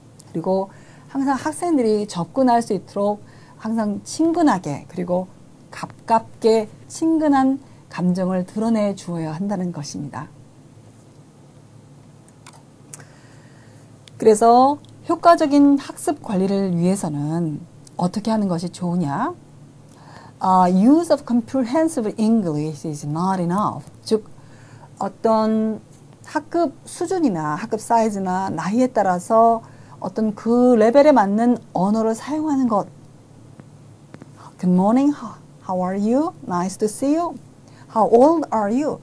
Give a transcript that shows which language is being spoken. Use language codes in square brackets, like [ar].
[ko] 그리고 항상 학생들이 접근할 수 있도록 항상 친근하게, 그리고 가깝게 친근한 감정을 드러내 주어야 한다는 것입니다. 그래서 효과적인 학습 관리를 위해서는 어떻게 하는 것이 좋으냐? [en] Use of comprehensive English is not enough. [ko] 즉, 어떤 학급 수준이나 학급 사이즈나 나이에 따라서 어떤 그 레벨에 맞는 언어를 사용하는 것. [en] Good morning. How are you? Nice to see you. How old are you?